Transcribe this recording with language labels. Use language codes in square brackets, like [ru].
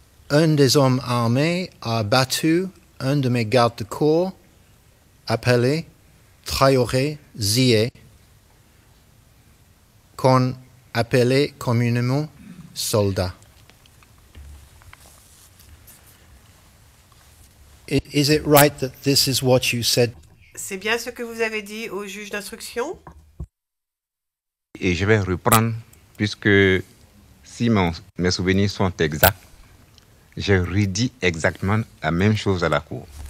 [fr] Un des hommes armés a battu un de mes gardes de corps, appelé Traoré Zié, qu'on appelait communément soldat. [en] Is it right that this is what you said? [fr] C'est bien ce que vous avez dit au juge d'instruction? Et je vais reprendre, puisque si mes souvenirs sont exacts, j'ai redit exactement la même chose à la cour.